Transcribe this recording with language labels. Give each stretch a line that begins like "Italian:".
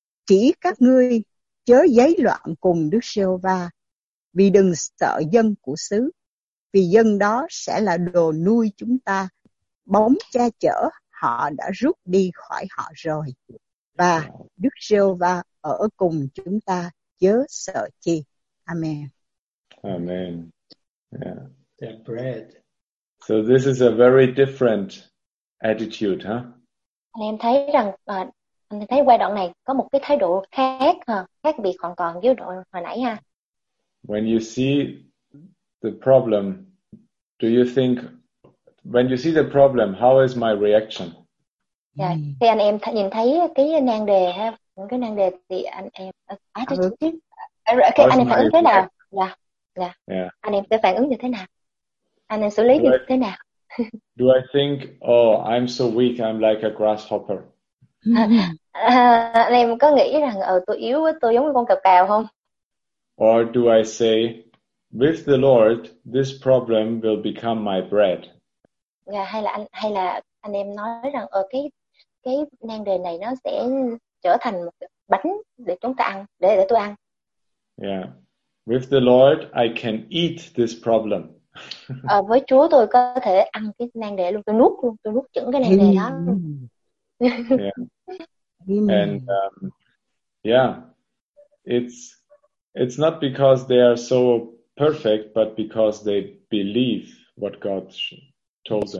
Vietnamese: Chỉ các ngươi chớ giấy loạn cùng Đức Giê-hô-va, vì đừng sợ dân của xứ, vì dân đó sẽ là đồ nuôi chúng ta. Bóng che chở họ đã rút đi khỏi họ rồi. Và Đức Giê-hô-va ở cùng chúng ta, chớ sợ chi.
English: Amen. Amen. Yeah. They're bread. So this is a very different attitude, huh?
Vietnamese: Anh em thấy rằng anh thấy qua đoạn này có một cái thái độ khác ha, khác biệt hoàn toàn với đoạn hồi nãy ha.
English: When you see the problem, do you think when you see the problem, how is my reaction?
Vietnamese: Dạ, thì anh em nhìn thấy cái nan đề ha, cái nan đề thì anh em okay, anh em phản ứng thế nào? Dạ. Dạ.
English: Yeah.
Vietnamese: Anh em sẽ phản ứng như thế nào? Anh em xử lý như thế nào?
English: Do I think, oh, I'm so weak, I'm like a grasshopper?
Vietnamese: Anh em có nghĩ rằng, tôi yếu, tôi giống như con cào cào không?
English: Or do I say, with the Lord, this problem will become my bread?
Vietnamese: Yeah, hay là anh em nói rằng, cái nan đề này nó sẽ trở thành một bánh để chúng ta ăn, để tôi ăn.
English: Yeah, with the Lord, I can eat this problem.
Vietnamese: Với Chúa tôi có thể ăn cái nan đề luôn, tôi nuốt chửng cái nan đề đó.
English: Yeah. And yeah, it's not because they are so perfect, but because they believe what God told them.